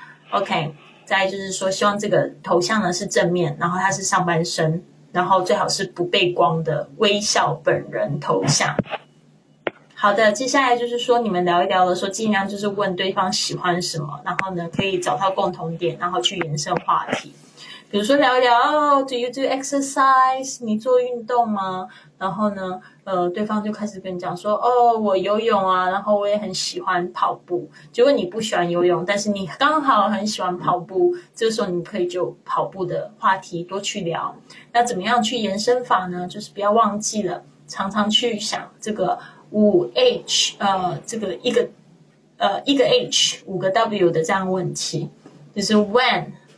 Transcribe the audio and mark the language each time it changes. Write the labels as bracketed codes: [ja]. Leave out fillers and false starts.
[zh] OK， 再来就是说希望这个头像呢是正面，然后它是上半身，然后最好是不背光的微笑本人头像。好的，接下来就是说你们聊一聊的时候，尽量就是问对方喜欢什么，然后呢可以找到共同点，然后去延伸话题。比如说聊一聊，哦 ， [en] Do you do exercise？ [zh] 你做运动吗？然后呢，对方就开始跟你讲说，哦，我游泳啊，然后我也很喜欢跑步。结果你不喜欢游泳，但是你刚好很喜欢跑步，这时候你可以就跑步的话题多去聊。那怎么样去延伸法呢？就是不要忘记了，常常去想这个5H， 这个一个 H 5个 W 的这样问题，就是 When。